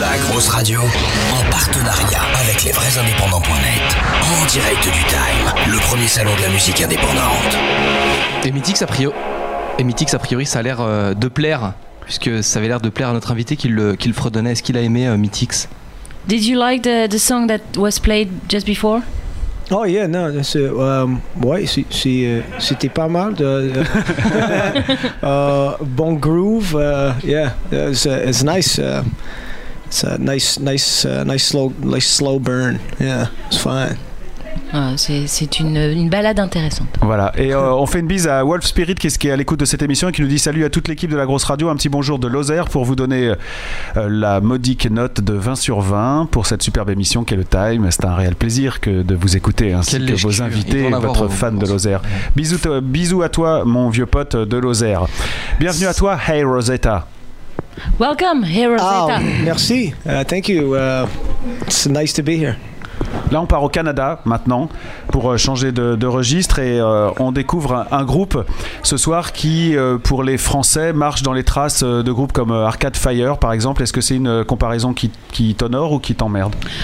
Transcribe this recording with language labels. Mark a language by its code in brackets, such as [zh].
[fr] grosse radio, en partenariat avec lesvraisindépendants.net, en direct du Time, le premier salon de la musique indépendante. Et Mythix, a priori, ça a l'air de plaire, puisque ça avait l'air de plaire à notre invité qu'il fredonnait. Est-ce qu'il a aimé Mythix? [en] Did you like the song that was played just before? Oh yeah, no, that's [fr] c'était pas mal. [en] bon groove, it's nice. It's a nice slow burn. Yeah, it's fine. [fr] C'est une balade intéressante. Voilà, et on fait une bise à Wolf Spirit qui est à l'écoute de cette émission et qui nous dit salut à toute l'équipe de La Grosse Radio, un petit bonjour de Lozère pour vous donner la modique note de 20 sur 20 pour cette superbe émission qu'est le Time. C'est un réel plaisir que de vous écouter ainsi Quelle que vos invités et votre fan de Lozère. Bisous à toi mon vieux pote de Lozère. Bienvenue à toi, Hey Rosetta. [en] Welcome, Hey Rosetta. Oh, merci, thank you, it's nice to be here. [fr] Là, on part au Canada maintenant pour changer de registre et on découvre un groupe ce soir qui, pour les Français, marche dans les traces de groupes comme Arcade Fire, par exemple. Est-ce que c'est une comparaison qui t'honore ou qui t'emmerde?